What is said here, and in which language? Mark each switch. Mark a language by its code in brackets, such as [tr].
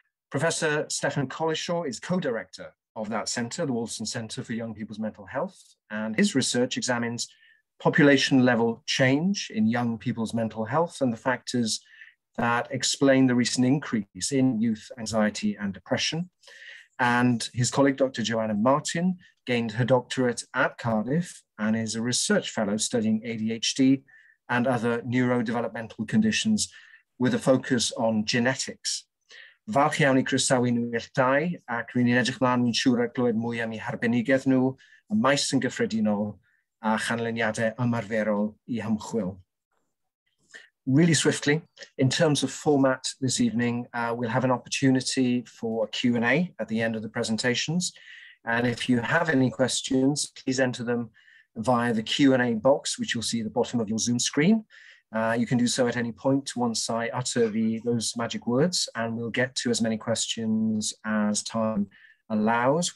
[en] Professor Stephan Collishaw is co-director of that centre, the Wolfson Centre for Young People's Mental Health, and his research examines population level change in young people's mental health and the factors that explain the recent increase in youth anxiety and depression. And his colleague, Dr. Joanna Martin, gained her doctorate at Cardiff and is a research fellow studying ADHD and other neurodevelopmental conditions with a focus on genetics. [cy] Falch iawn i croesawu nhw i'r dau, ac rwy'n i'n edrych mlaen yn siŵr a glywed mwy am eu harbenigedd nhw, y maes yn gyffredinol, a chanlyniadau ymarferol i ymchwil. [en] Really swiftly, in terms of format this evening, we'll have an opportunity for a Q&A at the end of the presentations. And if you have any questions, please enter them via the Q&A box, which you'll see at the bottom of your Zoom screen. You can do so at any point once I utter those magic words, and we'll get to as many questions as time allows.